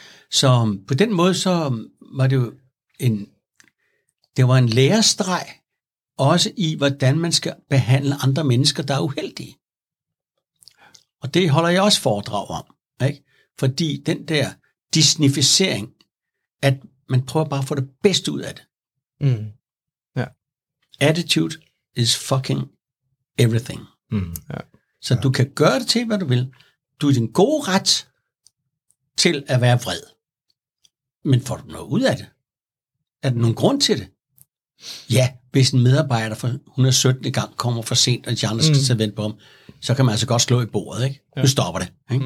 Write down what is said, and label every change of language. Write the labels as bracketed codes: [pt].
[da] Så på den måde, så var det jo en, det var en lærestreg, også i, hvordan man skal behandle andre mennesker, der er uheldige. Og det holder jeg også foredrag om. Ikke? Fordi den der disnificering, at man prøver bare at få det bedste ud af det. Mm. Ja. [en] Attitude is fucking everything. [da] Mm. Ja. Så du kan gøre det til, hvad du vil. Du er din gode ret til at være vred. Men får du noget ud af det? Er der nogen grund til det? Ja, hvis en medarbejder for 117. gang kommer for sent, og de andre skal sidde vente på ham, så kan man altså godt slå i bordet, ikke? Ja. Nu stopper det. Ikke?